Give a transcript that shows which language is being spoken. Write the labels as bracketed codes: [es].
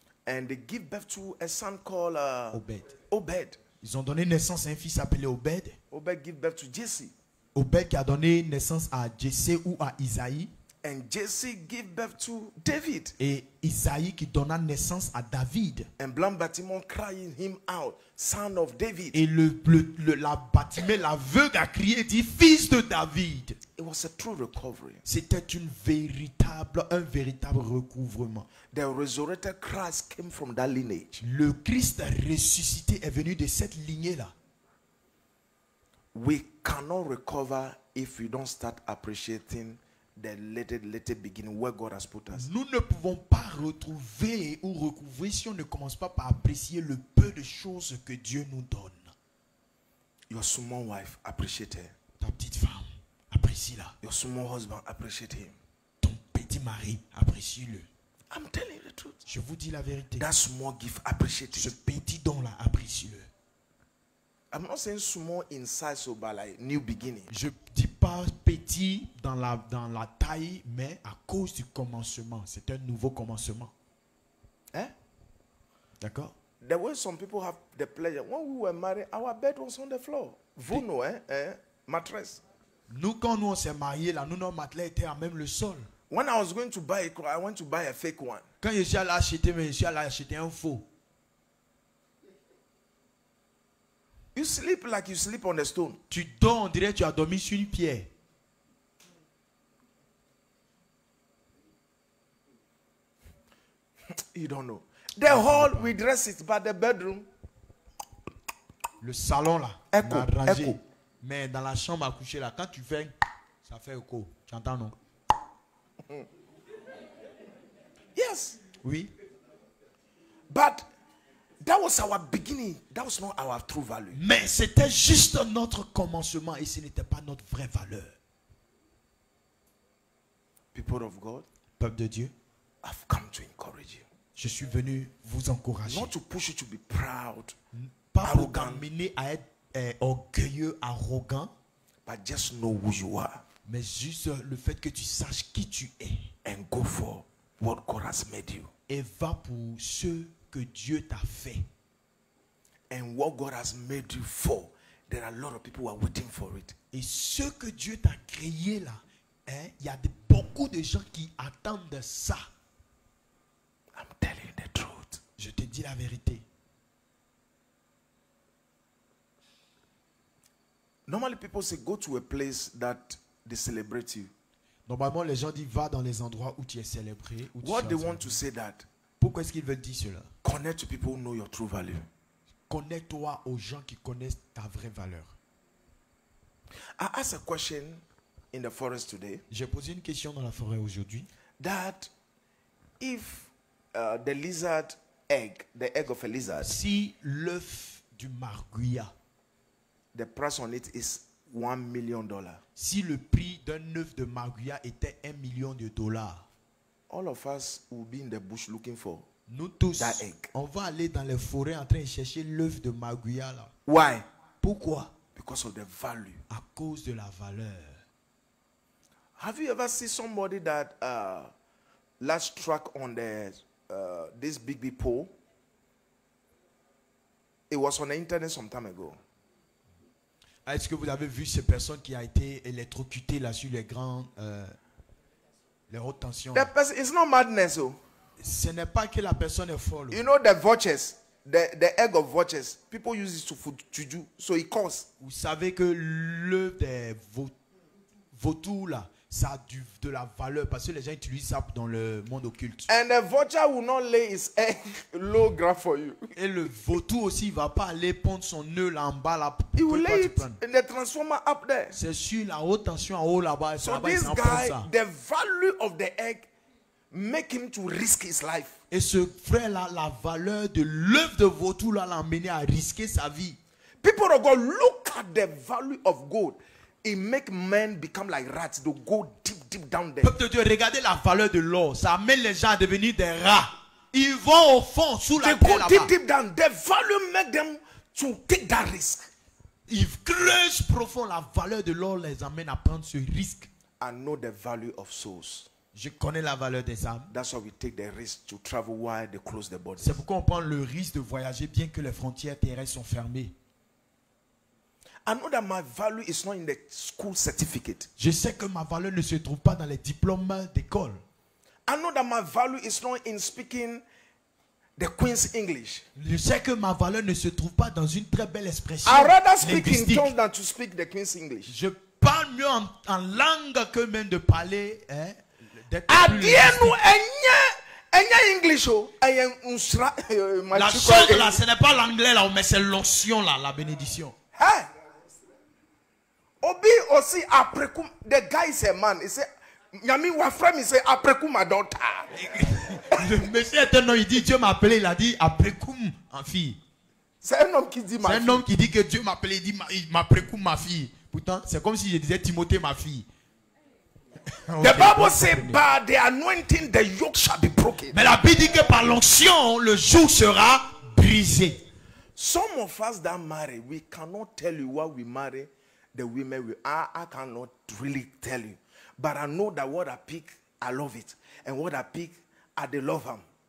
[en] And they give birth to a son called Obed. Obed. [fr] Ils ont donné naissance à un fils appelé Obed. [en] Obed give birth to Jesse. [fr] Obed qui a donné naissance à Jesse ou à Isaïe. [en] And Jesse give birth to David. [fr] Et Isaïe qui donna naissance à David. [en] And [fr] blanc bâtiment [en] crying him out, son of David. [fr] Et le bâtiment, l'aveugle a crié, dit fils de David. [en] It was a true recovery. [fr] C'était un véritable recouvrement. [en] The resurrected Christ came from that lineage. [fr] Le Christ ressuscité est venu de cette lignée là. [en] We cannot recover if we don't start appreciating the little beginning where God has put us. [fr] Nous ne pouvons pas retrouver ou recouvrir si on ne commence pas par apprécier le peu de choses que Dieu nous donne. [en] Your small wife, appreciate her. [fr] Ta petite femme, apprécie-la. [en] Your small husband, appreciate him. [fr] Ton petit mari, apprécie-le. [en] I'm telling the truth. [fr] Je vous dis la vérité. [en] That small gift, appreciate it. [fr] Ce petit don là, apprécie-le. [en] I'm not saying small in size, but like new beginning. [fr] Je dis pas petit dans la taille, mais à cause du commencement, c'est un nouveau commencement. Hein? D'accord. [en] There were some people have the pleasure. When we were married, our bed was on the floor. [fr] Vous nous, hein? Mattress. Nous quand nous on s'est marié là, nous notre matelas était à même le sol. [en] When I was going to buy it, I went to buy a fake one. [fr] Quand je suis allé acheter, mais je suis allé acheter un faux. [en] You sleep like you sleep on a stone. [fr] Tu dors, on dirait que tu as dormi sur une pierre. [en] You don't know. The hall, we dress it, but the bedroom. [fr] Le salon là, écho, écho. Mais dans la chambre à coucher là, quand tu fais, ça fait écho. Tu entends, non? [en] Yes. [fr] Oui. [en] But that was our beginning. That was not our true value. [fr] Mais c'était juste notre commencement et ce n'était pas notre vraie valeur. [en] People of God, [fr] peuple de Dieu, [en] I've come to encourage you. [fr] Je suis venu vous encourager. [en] Not to push you to be proud, [fr] pas arrogant, pour t'amener à être orgueilleux, arrogant, [en] but just know who you are. [fr] Mais juste le fait que tu saches qui tu es. [en] And go for what God has made you. [fr] Et va pour ce que Dieu t'a fait. [en] And what God has made you for, there are a lot of people who are waiting for it. [fr] Et ce que Dieu t'a créé là, hein, y a beaucoup de gens qui attendent ça. [en] I'm telling the truth. [fr] Je te dis la vérité. [en] Normally people say go to a place that they celebrate you. [fr] Normalement les gens disent va dans les endroits où tu es célébré. Où [en] what [fr] tu [en] they want to say that? [fr] Pourquoi est-ce qu'ils veulent dire cela? [en] Connect to people who know your true value. [fr] Connais-toi aux gens qui connaissent ta vraie valeur. [en] I asked a question in the forest today. [fr] J'ai posé une question dans la forêt aujourd'hui. [en] That if the lizard egg, the egg of a lizard. [fr] Si l'œuf du marguillat. [en] The price on it is $1 million. [fr] Si le prix d'un œuf de marguillat était $1 million. [en] All of us will be in the bush looking for. [fr] Nous tous, [en] that egg. [fr] On va aller dans les forêts en train de chercher l'œuf de marguillat là. [en] Why? [fr] Pourquoi? [en] Because of the value. [fr] À cause de la valeur. [en] Have you ever seen somebody that last struck on the this big pole? It was on the internet some time ago. [fr] Est-ce que vous avez vu ces personnes qui a été électrocutées là sur les grandes les hautes tensions? [en] The person, it's not madness, oh. [fr] Ce n'est pas que la personne est folle. [en] You know the vultures, the egg of vultures. People use it to food juju, so it costs. [fr] Vous savez que l'œuf des vautours là, ça a de la valeur parce que les gens utilisent ça dans le monde occulte. [en] And the vulture will not lay its egg low ground for you. [fr] Et le vautour aussi va pas aller pondre son œuf là en bas là. [en] It will lay it in the transformer up there. [fr] C'est sur la haute tension en haut là-bas. [en] So this guy, the value of the egg make him to risk his life. [fr] Et ce frère là, la valeur de l'œuf de vautour là l'a amené à risquer sa vie. [en] People of God, look at the value of gold. It make men become like rats. They go deep down there. [fr] Peuple de Dieu, regardez la valeur de l'or. Ça amène les gens à devenir des rats. Ils vont au fond sous la terre là-bas. [en] They go deep down. The value make them to take that risk. [fr] Ils creusent profond. La valeur de l'or les amène à prendre ce risque. [en] I know the value of souls. [fr] Je connais la valeur des âmes. [en] That's why we take the risk to travel while they close the borders. [fr] C'est pourquoi on prend le risque de voyager bien que les frontières terrestres sont fermées. [en] I know that my value is not in the school certificate. [fr] Je sais que ma valeur ne se trouve pas dans les diplômes d'école. [en] I know that my value is not in speaking the Queen's English. [fr] Je sais que ma valeur ne se trouve pas dans une très belle expression. [en] I'd rather speak in tongues than to speak the Queen's English. [fr] Je parle mieux en langue que même de parler. Hein, la chose là, ce n'est pas l'anglais là, mais c'est l'onction là, la bénédiction. [en] Hey. Obi [fr] aussi après coup, [en] the guy is a man. He said, "Yami wa frère, il said [fr] après coup ma [en] daughter." [fr] Le monsieur est un homme. Il dit Dieu m'a appelé. Il a dit après coup en fille. C'est un homme qui dit ma. C'est un homme qui dit que Dieu m'a appelé. Il dit ma après coup ma fille. Pourtant, c'est comme si je disais Timothée ma fille. [en] The Bible says, "By the anointing, the yoke shall be broken." [fr] Mais la Bible dit que par l'onction, le joug sera brisé. [en] Some of us that marry, we cannot tell you why we marry the women we are. I cannot really tell you, but I know that what I pick, I love it, and what I pick, I they love them.